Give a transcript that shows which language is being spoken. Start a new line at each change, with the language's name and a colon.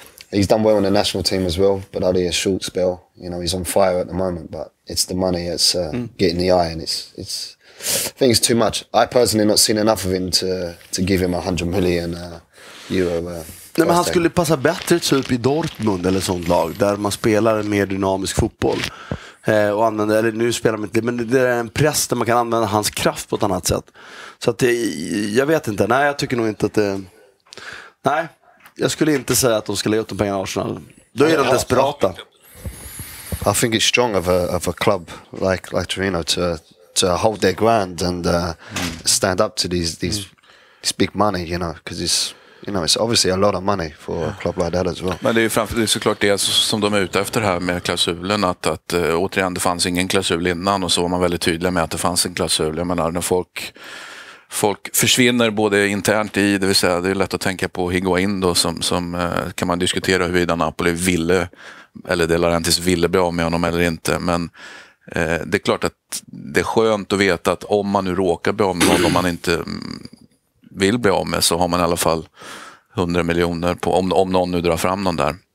English: So he's done well in the national team as well, but only a short spell. You know, he's on fire at the moment, but it's the money that's getting the eye, and it's I think it's too much. I personally not seen enough of him to give him 100 million euro.
Swedish: Nej, men han skulle passa bättre typ i Dortmund eller sånt lag där man spelar en mer dynamisk fotboll. Och använder, eller nu spelar man inte, men det är en press där man kan använda hans kraft på ett annat sätt. Så att det, jag vet inte, nej, jag tycker nog inte att det, nej, jag skulle inte säga att de ska lägga ut de pengarna i Arsenal. Då är de desperata.
English: I think it's strong of a club like Torino to hold their ground and stand up to these big money, you know, because it's, you know, it's obviously a lot of money for a club like that as well.
Swedish: Men det är ju framför, det är såklart det som de är ute efter här med klausulen, att återigen, det fanns ingen klausul innan, och så var man väldigt tydlig med att det fanns en klausul. Jag menar, när folk försvinner både internt i, det vill säga, det är lätt att tänka på Higuain då, som kan man diskutera huruvida Napoli ville, eller De Laurentiis ville bli av med honom eller inte, men det är klart att det är skönt att veta att om man nu råkar bli av med honom, om man inte vill bli av med, så har man i alla fall 100 miljoner på, om någon nu drar fram någon där.